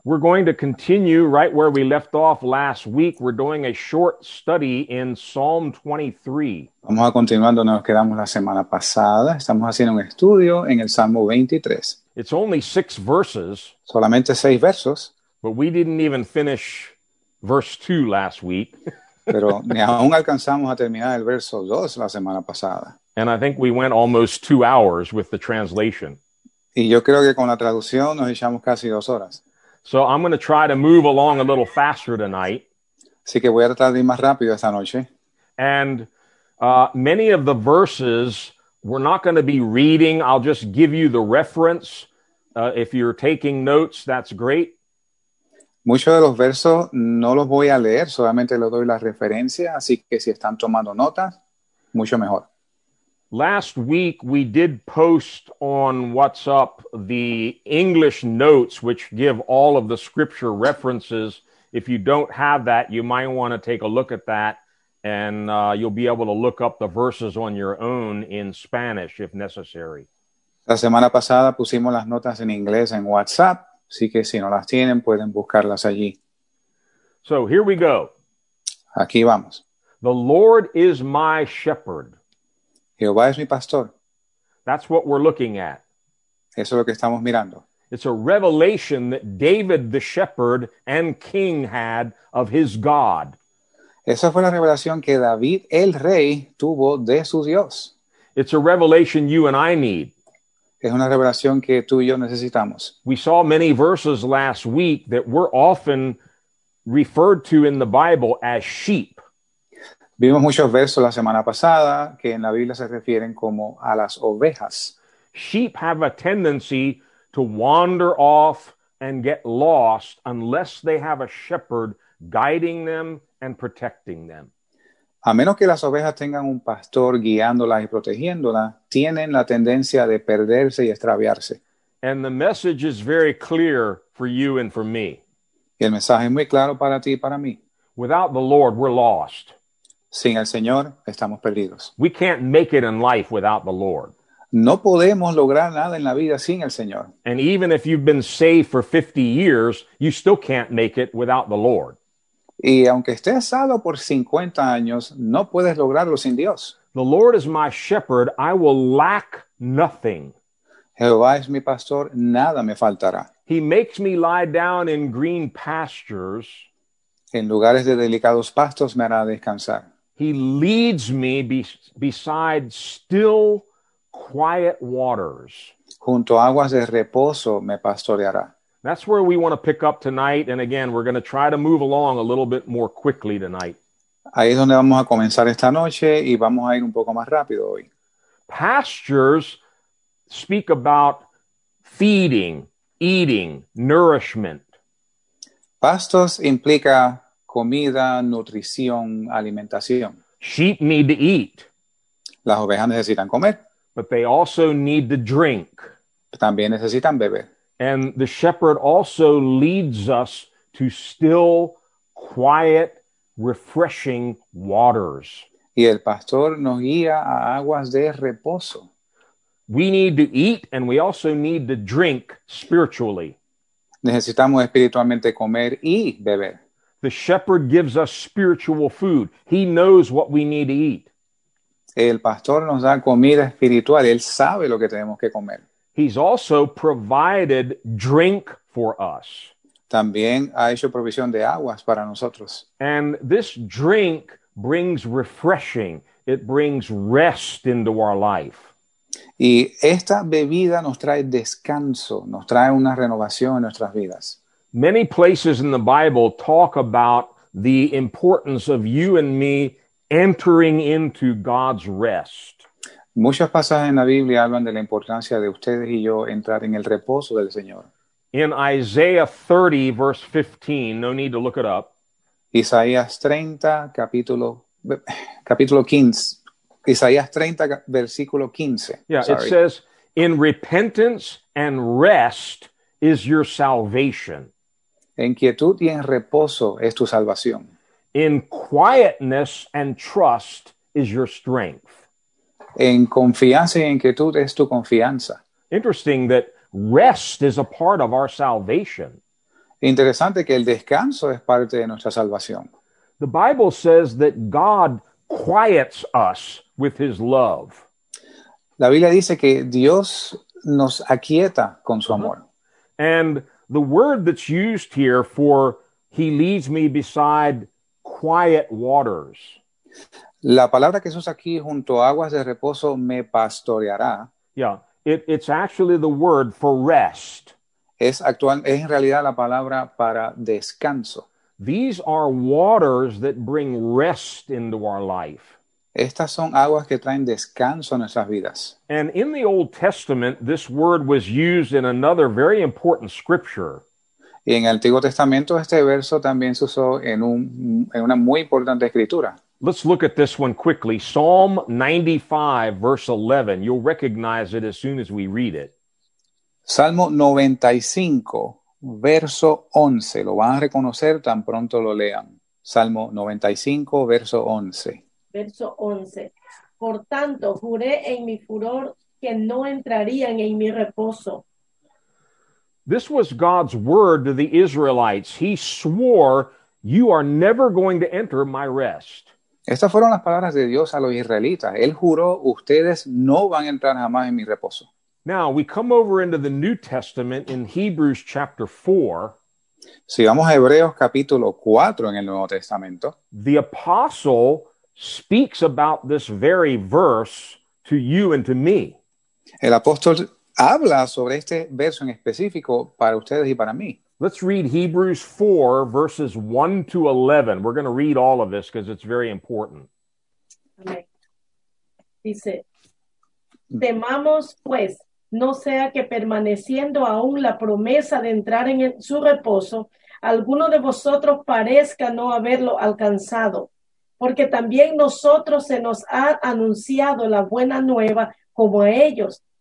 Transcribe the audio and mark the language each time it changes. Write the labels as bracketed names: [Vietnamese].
[English] We're going to continue right where we left off last week. We're doing a short study in Psalm 23. [Spanish] Vamos a continuar donde nos quedamos la semana pasada. Estamos haciendo un estudio en el Salmo 23. [English] It's only six verses. [Spanish] Solamente seis versos. [English] But we didn't even finish verse 2 last week. [Spanish] Pero ni aún alcanzamos a terminar el verso 2 la semana pasada. [English] And I think we went almost 2 hours with the translation. [Spanish] Y yo creo que con la traducción nos echamos casi 2 horas. [English] So I'm going to try to move along a little faster tonight. [Spanish] Así que voy a tratar de ir más rápido esta noche. [English] And many of the verses we're not going to be reading. I'll just give you the reference. If you're taking notes, that's great. [Spanish] Muchos de los versos no los voy a leer, solamente les doy la referencia, así que si están tomando notas, mucho mejor. [English] Last week we did post on WhatsApp the English notes, which give all of the scripture references. If you don't have that, you might want to take a look at that, and you'll be able to look up the verses on your own in Spanish, if necessary. [Spanish] La semana pasada pusimos las notas en inglés en WhatsApp. Así que si no las tienen, pueden buscarlas allí. [English] So here we go. [Spanish] Aquí vamos. [English] The Lord is my shepherd. [Spanish] Jehová es mi pastor. [English] That's what we're looking at. [Spanish] Eso es lo que estamos mirando. [English] It's a revelation that David the shepherd and king had of his God. [Spanish] Esa fue la revelación que David el rey tuvo de su Dios. [English] It's a revelation you and I need. [Spanish] Es una revelación que tú y yo necesitamos. [English] We saw many verses last week that were often referred to in the Bible as sheep. [Spanish] Vimos muchos versos la semana pasada que en la Biblia se refieren como a las ovejas. [English] Sheep have a tendency to wander off and get lost unless they have a shepherd guiding them and protecting them. [Spanish] A menos que las ovejas tengan un pastor guiándolas y protegiéndolas, tienen la tendencia de perderse y extraviarse. [English] And the message is very clear for you and for me. [Spanish] Y el mensaje es muy claro para ti y para mí. [English] Without the Lord, we're lost. [Spanish] Sin el Señor, estamos perdidos. [English] We can't make it in life without the Lord. [Spanish] No podemos lograr nada en la vida sin el Señor. [English] And even if you've been saved for 50 years, you still can't make it without the Lord. [Spanish] Y aunque estés salvo por 50 años, no puedes lograrlo sin Dios. [English] The Lord is my shepherd, I will lack nothing. [Spanish] Jehová es mi pastor, nada me faltará. [English] He makes me lie down in green pastures. [Spanish] En lugares de delicados pastos me hará descansar. [English] He leads me beside still, quiet waters. [Spanish] Junto a aguas de reposo me pastoreará. [English] That's where we want to pick up tonight. And again, we're going to try to move along a little bit more quickly tonight. [Spanish] Ahí es donde vamos a comenzar esta noche y vamos a ir un poco más rápido hoy. [English] Pastures speak about feeding, eating, nourishment. [Spanish] Pastos implica comida, nutrición, alimentación. [English] Sheep need to eat. [Spanish] Las ovejas necesitan comer. [English] But they also need to drink. [Spanish] También necesitan beber. [English] And the shepherd also leads us to still, quiet, refreshing waters. [Spanish] Y el pastor nos guía a aguas de reposo. [English] We need to eat and we also need to drink spiritually. [Spanish] Necesitamos espiritualmente comer y beber. [English] The shepherd gives us spiritual food. He knows what we need to eat. [Spanish] El pastor nos da comida espiritual. Él sabe lo que tenemos que comer. [English] He's also provided drink for us. [Spanish] También ha hecho provisión de aguas para nosotros. [English] And this drink brings refreshing. It brings rest into our life. [Spanish] Y esta bebida nos trae descanso, nos trae una renovación en nuestras vidas. [English] Many places in the Bible talk about the importance of you and me entering into God's rest. [Spanish] Muchos pasajes en la Biblia hablan de la importancia de ustedes y yo entrar en el reposo del Señor. [English] In Isaiah 30, verse 15, no need to look it up. [Spanish] Isaías 30, capítulo 15. Isaías 30, versículo 15. [English] Yeah, sorry. It says, in repentance and rest is your salvation. [Spanish] En quietud y en reposo es tu salvación. [English] In quietness and trust is your strength. [Spanish] En confianza y inquietud es tu confianza. [English] Interesting that rest is a part of our salvation. [Spanish] Interesante que el descanso es parte de nuestra salvación. [English] The Bible says that God quiets us with his love. [Spanish] La Biblia dice que Dios nos aquieta con su amor. [English] And the word that's used here for he leads me beside quiet waters. [Spanish] La palabra que se usa aquí junto a aguas de reposo, me pastoreará. [English] Yeah, it's actually the word for rest. [Spanish] Es en realidad la palabra para descanso. [English] These are waters that bring rest into our life. [Spanish] Estas son aguas que traen descanso a nuestras vidas. [English] And in the Old Testament, this word was used in another very important scripture. [Spanish] Y en el Antiguo Testamento, este verso también se usó en una muy importante escritura. [English] Let's look at this one quickly. Psalm 95, verse 11. You'll recognize it as soon as we read it. [Spanish] Salmo 95, verso 11. Lo van a reconocer tan pronto lo lean. Salmo 95, verso 11. Verso 11. Por tanto, juré en mi furor que no entrarían en mi reposo. [English] This was God's word to the Israelites. He swore, you are never going to enter my rest. [Spanish] Estas fueron las palabras de Dios a los israelitas. Él juró, ustedes no van a entrar jamás en mi reposo. [English] Now, we come over into the New Testament in Hebrews chapter 4. [Spanish] Si vamos a Hebreos capítulo 4 en el Nuevo Testamento. [English] The apostle speaks about this very verse to you and to me. [Spanish] El apóstol habla sobre este verso en específico para ustedes y para mí. [English] Let's read Hebrews 4, verses 1 to 11. We're going to read all of this because it's very important. Okay. [Spanish] Dice, temamos pues, no sea que permaneciendo aún la promesa de entrar en su reposo, alguno de vosotros parezca no haberlo alcanzado. Porque también nosotros se nos ha anunciado la buena nueva como a ellos.